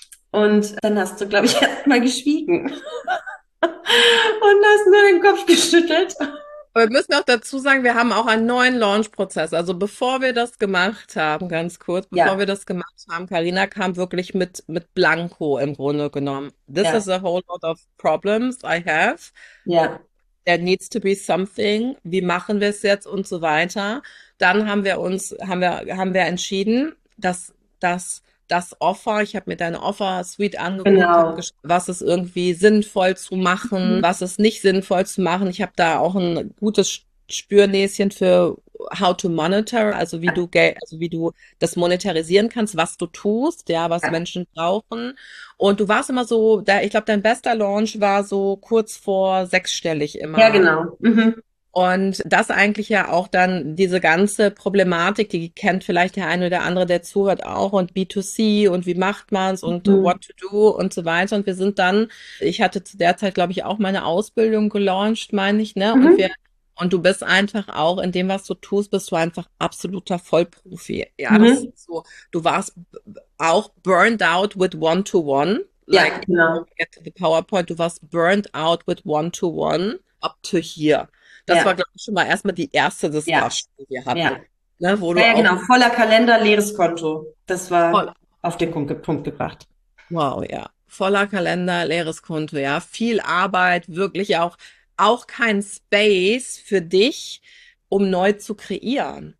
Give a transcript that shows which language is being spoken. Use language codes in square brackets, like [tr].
[de] Und dann hast du, glaube ich, erst mal geschwiegen. Und hast nur den Kopf geschüttelt. Wir müssen auch dazu sagen, wir haben auch einen neuen Launch-Prozess. Also bevor wir das gemacht haben, ganz kurz, bevor wir das gemacht haben, Carina kam wirklich mit Blanko im Grunde genommen. [en] This is a whole lot of problems I have. There needs to be something. [de] Wie machen wir es jetzt und so weiter? Dann haben wir entschieden, dass das Offer, ich habe mir deine Offer-Suite angeguckt, habe geschaut, was ist irgendwie sinnvoll zu machen, was ist nicht sinnvoll zu machen. Ich habe da auch ein gutes Spürnäschen für [en] how to monitor, [de] also wie du Geld, also wie du das monetarisieren kannst, was du tust, ja, was Menschen brauchen. Und du warst immer so, da, ich glaube, dein bester Launch war so kurz vor sechsstellig immer. Ja, genau. Mhm. Und das eigentlich ja auch dann diese ganze Problematik, die kennt vielleicht der eine oder andere, der zuhört auch, und B2C und wie macht man's und [en] what to do [de] und so weiter. Und wir sind dann, ich hatte zu der Zeit, glaube ich, auch meine Ausbildung gelauncht, meine ich, ne? Und wir, und du bist einfach auch in dem, was du tust, bist du einfach absoluter Vollprofi. Ja, das ist so, du warst auch [en] burned out with one to one. [de] Ja, [en] Like, [de] genau. [en] Get to the PowerPoint, [de] du warst [en] burned out with one to one up to here. [de] Das Ja. war, glaube ich, schon mal erstmal die erste Discussion, die wir hatten. Ne, wo du Ja, auch genau. Voller Kalender, leeres Konto. Das war voll. Auf den Punkt gebracht. Wow, ja. Voller Kalender, leeres Konto, ja. Viel Arbeit, wirklich auch kein Space für dich, um neu zu kreieren.